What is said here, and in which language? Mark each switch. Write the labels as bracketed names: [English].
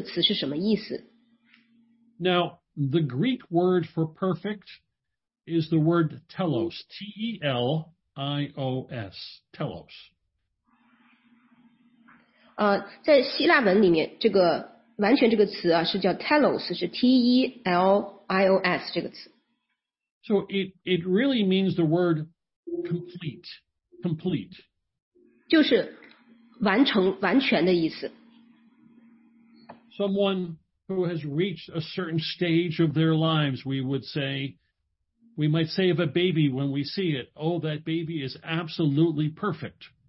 [Chinese] 所以当我们在圣经里读到完全这个词啊，我们要明白它在它的所在的这个上下文里，它这个词是什么意思。 [English] Now, the Greek word for perfect is the word telos, T-E-L-I-O-S, telos. [Chinese] 在希腊文里面，这个完全这个词啊，是叫 telos, 是 T-E-L-I-O-S 这个词。 [English] So it really means the word complete. Complete. [Chinese] 就是完成完全的意思. [English] Someone who has reached a certain stage of their lives, we would say, we might say of a baby when we see it, oh, that baby is absolutely perfect.